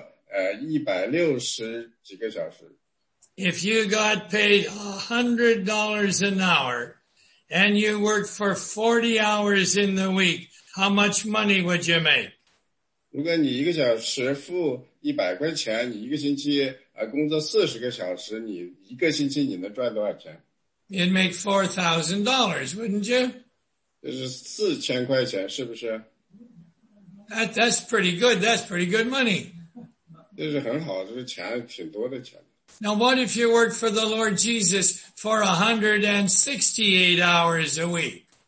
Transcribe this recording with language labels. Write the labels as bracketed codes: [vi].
[zh] 如果你为主耶稣工作呢，你会他会付你很多，因为你是在一个星期你会工作160几个小时。 [en] If you got paid $100 an hour and you worked for 40 hours in the week, how much money would you make? [zh] 如果你一个小时付100块钱，你一个星期工作40个小时，你一个星期你能赚多少钱？ [en] You'd make $4,000, wouldn't you? [zh] 就是4000块钱，是不是？ [en] That's pretty good. That's pretty good money. [zh] 这是很好，这是钱，挺多的钱。 [en] Now what if you work for the Lord Jesus for 168 hours a week?